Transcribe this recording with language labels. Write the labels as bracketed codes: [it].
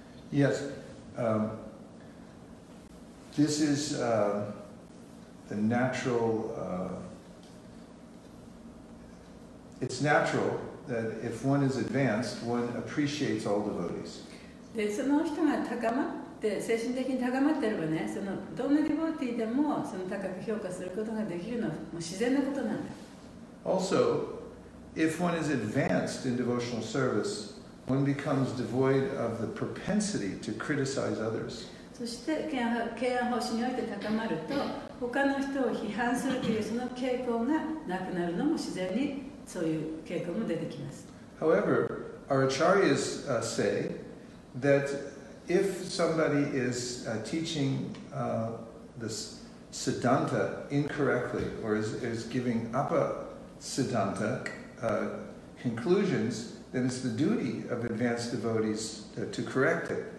[en] Yes. This is the natural... It's natural that if one is advanced, one appreciates all devotees. [ja] で、その人が高まって、精神的に高まってればね、そのどんなディボーティーでも、その高く評価することができるのは、もう自然なことなんだ。 [en] Also, if one is advanced in devotional service, one becomes devoid of the propensity to criticize others. [ja] そして、敬愛方針において高まると、他の人を批判するというその傾向がなくなるのも自然に。そういう傾向も出てきます。 [en] However, our acharyas say that if somebody is teaching the siddhanta incorrectly or is giving apa siddhanta conclusions, then it's the duty of advanced devotees to correct it.